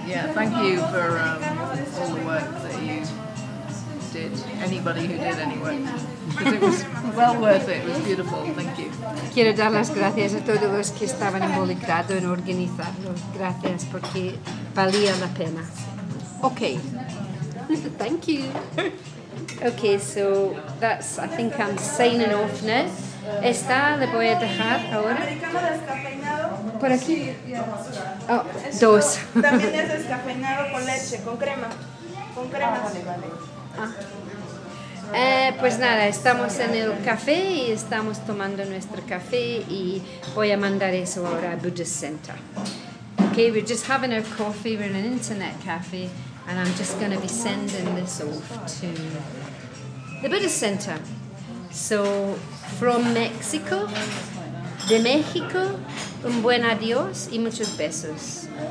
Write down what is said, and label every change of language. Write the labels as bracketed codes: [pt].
[en] Yeah, thank you for all the work that you did. Anybody who did any work. Because it was well worth it. It was beautiful. Thank you. [es] Quiero dar las gracias a todos los que estaban involucrados en organizarlo. Gracias porque valía la pena. [en] Okay. Thank you. Okay, so that's, I think I'm signing off now. [es] Esta le voy a dejar ahora. ¿Por aquí? Oh, dos. También es descafeinado con leche, con crema. Con crema. Vale. Pues nada, estamos en el café y estamos tomando nuestro café y voy a mandar eso ahora a Buddhist Center. [en] Okay, we're just having our coffee, we're in an internet café and I'm just going to be sending this off to the Buddhist Center. So, from Mexico, [es] de México, un buen adiós y muchos besos.